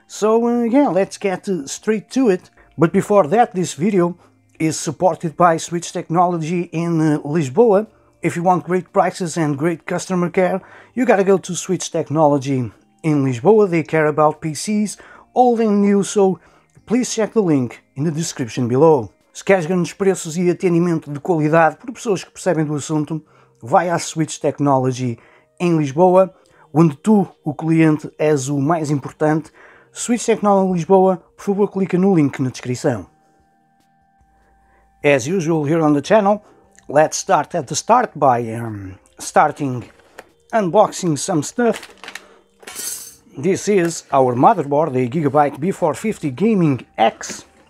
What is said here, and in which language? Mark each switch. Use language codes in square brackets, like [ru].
[en] So yeah, let's get straight to it. But before that, this video is supported by Switch Technology in Lisboa. If you want great prices and great customer care, you gotta go to Switch Technology in Lisboa. They care about PCs, old and new, so please check the link in the description below. [pt] Se queres grandes preços e atendimento de qualidade por pessoas que percebem do assunto, vai à Switch Technology em Lisboa, onde tu, o cliente, és o mais importante. Switch Technology Lisboa, por favor, clica no link na descrição. [en] As usual here on the channel, let's start at the start by starting unboxing some stuff. This is our motherboard, the Gigabyte B450 Gaming X.